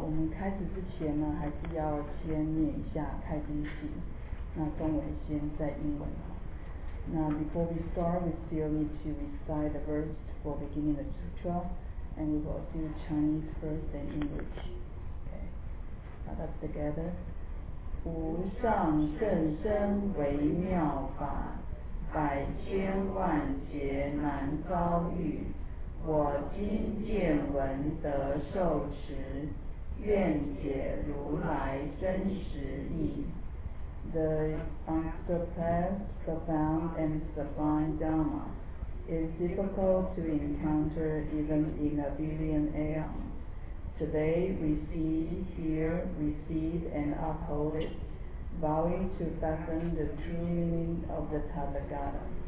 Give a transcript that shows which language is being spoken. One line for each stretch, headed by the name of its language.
Chinese: 开始之前呢，还是要先念一下开经偈。那中文先在英文哈。
English: 那 before we start, we still need to recite the verse for beginning the sutra, and we will do Chinese first and English. Okay, let us together.
Chinese: 无上甚深微妙法，百千万劫难遭遇。我今见闻得受持，愿解如来真实义。
English: The unsurpassed, profound, and sublime Dhamma is difficult to encounter even in a billion aeons. Today we see, hear, receive, and uphold it, vowing to fathom the true meaning of the Tathagata.